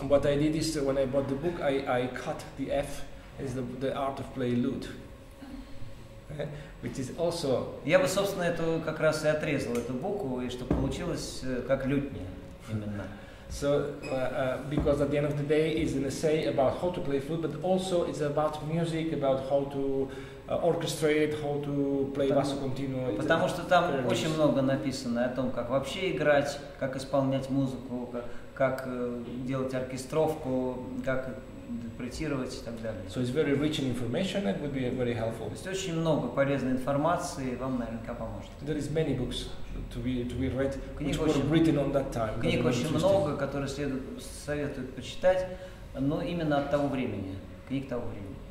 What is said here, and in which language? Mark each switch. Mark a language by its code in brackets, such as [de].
[en] What I did is, when I bought the book, I cut the F, is the art of playing lute. Which is also... [ru] Я бы, собственно, эту как раз и отрезал, эту букву, и чтобы получилось как лютня, именно. [en] So, because at the end of the day, it's an essay about how to play flute, but also it's about music, about how to orchestrate, how to play basso continuo. [ru] Потому что там очень много написано о том, как вообще играть, как исполнять музыку, как делать оркестровку, как интерпретировать и так далее. [en] So it's very rich in information, that would be very helpful. [ru] То есть очень много полезной информации, вам наверняка поможет. [en] There is many books to be read, which were written on that time. [ru] Книг очень много, которые советуют почитать, но именно от того времени. Книг того времени.